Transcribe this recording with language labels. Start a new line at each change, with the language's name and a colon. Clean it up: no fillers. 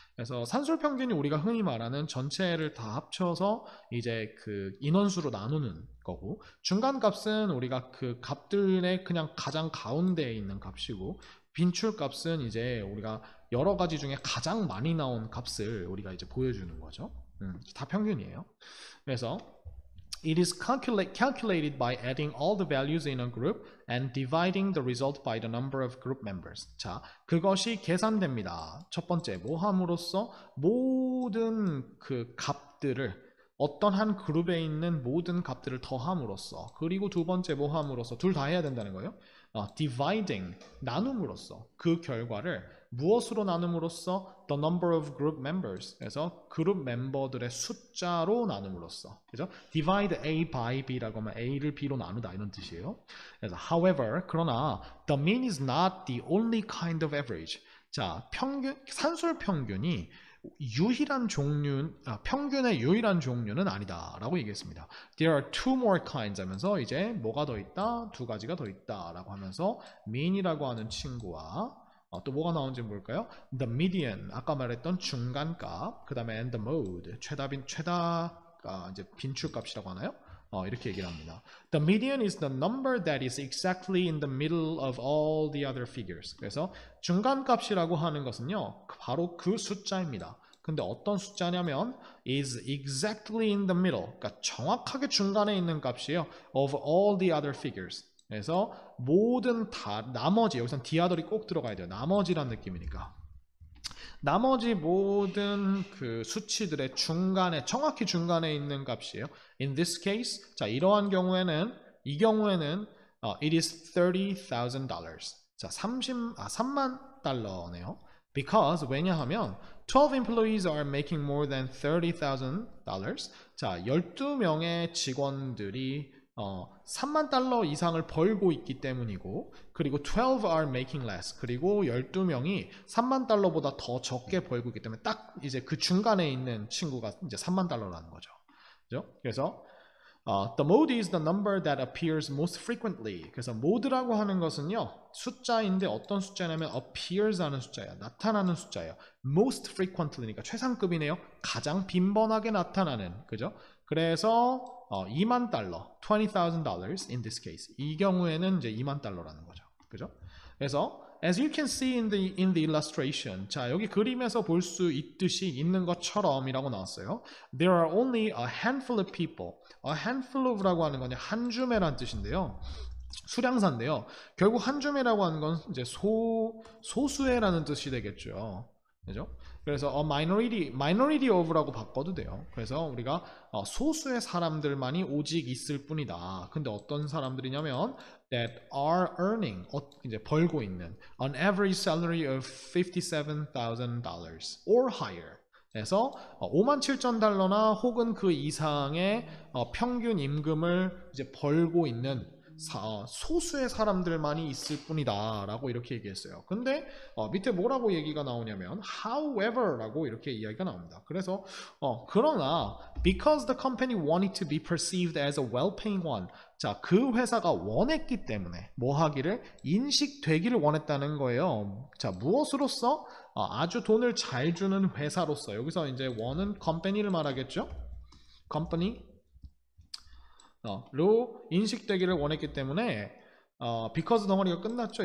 Korean: 그래서 산술 평균이 우리가 흔히 말하는 전체를 다 합쳐서 이제 그 인원수로 나누는 거고, 중간값은 우리가 그 값들의 그냥 가장 가운데에 있는 값이고, 빈출값은 이제 우리가 여러 가지 중에 가장 많이 나온 값을 우리가 이제 보여주는 거죠. 다 평균이에요. 그래서
English: It is calculated by adding all the values in a group and dividing the result by the number of group members.
Korean: 자, 그것이 계산됩니다. 첫 번째, 뭐 함으로써 모든 그 값들을 어떤 한 그룹에 있는 모든 값들을 더함으로써, 그리고 두 번째 뭐함으로써, 둘다 해야 된다는 거예요.
English: Dividing,
Korean: 나눔으로써 그 결과를 무엇으로 나눔으로써
English: the number of group members
Korean: 에서 그룹 멤버들의 숫자로 나눔으로써, 그죠?
English: Divide A by B
Korean: 라고 하면 A를 B로 나누다 이런 뜻이에요. 그래서
English: however,
Korean: 그러나
English: the mean is not the only kind of average.
Korean: 자, 평균 산술 평균이 유일한 종류, 평균의 유일한 종류는 아니다라고 얘기했습니다.
English: There are two more kinds
Korean: 하면서 이제 뭐가 더 있다? 두 가지가 더 있다라고 하면서 mean이라고 하는 친구와 또 뭐가 나오는지 볼까요?
English: The median
Korean: 아까 말했던 중간값, 그다음에
English: and the mode
Korean: 최다빈 최다가 이제 빈축값이라고 하나요? 이렇게 얘기를 합니다.
English: The median is the number that is exactly in the middle of all the other figures.
Korean: 그래서 중간값이라고 하는 것은요, 바로 그 숫자입니다. 근데 어떤 숫자냐면
English: is exactly in the middle.
Korean: 그러니까 정확하게 중간에 있는 값이에요.
English: Of all the other figures.
Korean: 그래서 모든 다 나머지 여기서
English: the other
Korean: 이 꼭 들어가야 돼요. 나머지란 느낌이니까. 나머지 모든 그 수치들의 중간에 정확히 중간에 있는 값이에요.
English: In this case,
Korean: 자 이러한 경우에는 이 경우에는
English: it is $30,000.
Korean: 자 3만 달러네요.
English: Because
Korean: 왜냐하면
English: 12 employees are making more than $30,000.
Korean: 자 12명의 직원들이 3만 달러 이상을 벌고 있기 때문이고, 그리고
English: 12 are making less,
Korean: 그리고 12명이 3만 달러보다 더 적게 벌고 있기 때문에 딱 이제 그 중간에 있는 친구가 이제 3만 달러라는 거죠. 그죠? 그래서
English: the mode is the number that appears most frequently.
Korean: 그래서 mode라고 하는 것은요, 숫자인데 어떤 숫자냐면
English: appears
Korean: 하는 숫자예요. 나타나는 숫자예요.
English: most frequently
Korean: 니까 최상급이네요. 가장 빈번하게 나타나는. 그죠? 그래서 2만 달러,
English: $20,000 in this case.
Korean: 이 경우에는 이제 2만 달러라는 거죠. 그죠? 그래서
English: as you can see in the illustration.
Korean: 자, 여기 그림에서 볼수 있듯이 있는 것처럼이라고 나왔어요.
English: There are only a handful of people. A handful of
Korean: 라고 하는 거는 한 줌이라는 뜻인데요. 수량사인데요. 결국 한 줌이라고 하는 건 이제 소수애라는 뜻이 되겠죠. 그죠? 그래서
English: a minority of
Korean: 라고 바꿔도 돼요. 그래서 우리가 소수의 사람들만이 오직 있을 뿐이다. 근데 어떤 사람들이냐면
English: that are earning
Korean: 이제 벌고 있는
English: an average salary of $57,000 or higher.
Korean: 그래서 5만 7천 달러나 혹은 그 이상의 평균 임금을 이제 벌고 있는 소수의 사람들만이 있을 뿐이다라고 이렇게 얘기했어요. 근데 밑에 뭐라고 얘기가 나오냐면
English: however
Korean: 라고 이렇게 이야기가 나옵니다. 그래서 그러나
English: because the company wanted to be perceived as a well-paying one.
Korean: 자, 그 회사가 원했기 때문에 뭐 하기를 인식되기를 원했다는 거예요. 자, 무엇으로서 아주 돈을 잘 주는 회사로서 여기서 이제 원은 company를 말하겠죠? company 로 인식되기를 원했기 때문에
English: because
Korean: 덩어리가 끝났죠.